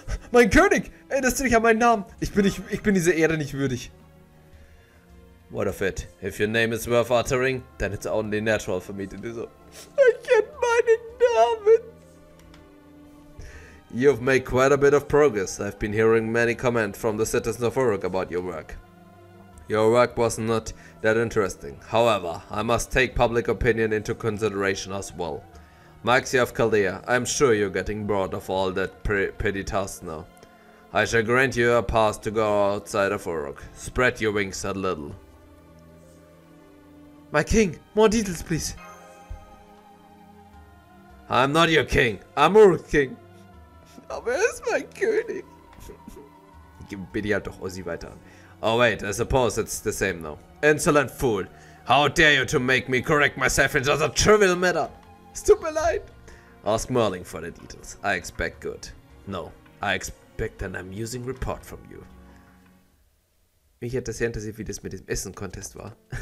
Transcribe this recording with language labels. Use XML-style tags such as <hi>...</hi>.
<de>Mein König, erinnerst du dich an meinen Namen? Ich bin diese Ehre nicht würdig.</de> <en>What of it? If your name is worth uttering, then it's only natural for me to do so.</en> <de>I kenn meinen Namen.</de> <en>You've made quite a bit of progress. I've been hearing many comments from the citizens of Uruk about your work. Your work was not that interesting. However, I must take public opinion into consideration as well. Maxi of Kaldea, I'm sure you're getting bored of all that petty tasks now. I shall grant you a pass to go outside of Uruk. Spread your wings a little. My king, more details please. I'm not your king, I'm Uruk's king.</en> <de>Aber er ist mein König. Bitte halt doch Ozzy weiter an.</de> <en>Oh wait, I suppose it's the same now. Insolent fool, how dare you to make me correct myself in just a trivial matter.</en> <de>Es tut mir leid.</de> <en>Ask Merling for the details. I expect good. No, I expect an amusing report from you.</en> <de>Mich hat das sehr interessiert, wie das mit diesem Essen-Contest war.</de>